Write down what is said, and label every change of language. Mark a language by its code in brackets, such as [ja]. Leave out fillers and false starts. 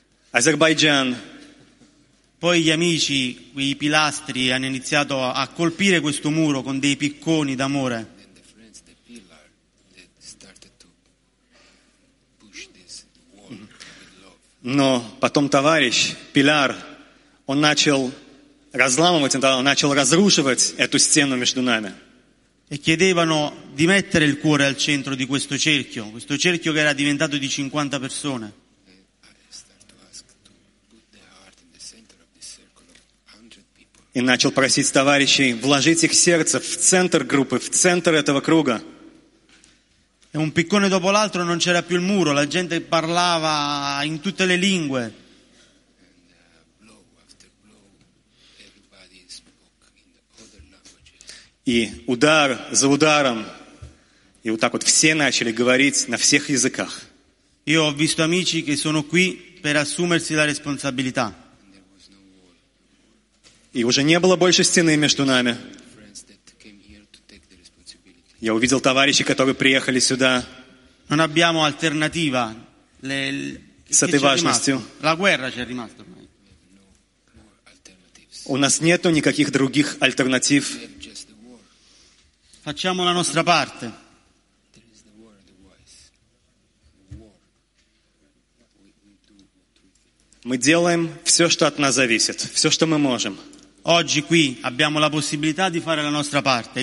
[ru] Азербайджан. [it] Poi gli amici, quei pilastri, hanno iniziato a colpire questo muro con dei picconi d'amore. [ru] Но потом товарищ Пилар, он начал разламывать, он начал разрушивать эту стену между нами. [it] E chiedevano di mettere il cuore al centro di questo cerchio che era diventato di 50 persone. [ru] И начал просить товарищей вложить их сердце в центр группы, в центр этого круга. [it] E un piccone dopo l'altro non c'era più il muro, la gente parlava in tutte le lingue. [ru] И удар за ударом, и вот так вот все начали говорить на всех языках. [it] Io ho visto amici che sono qui per assumersi la responsabilità. [ru] И уже не было больше стены между нами. Я увидел товарищей, которые приехали сюда. [it] Non abbiamo alternativa. [ru] С этой важностью. [it] La guerra c'è rimasta ormai. [ru] У нас нету никаких других альтернатив. [it] Facciamo la nostra parte. [ru] Мы делаем все, что от нас зависит, все, что мы можем. [it] Oggi qui abbiamo la possibilità di fare la nostra parte.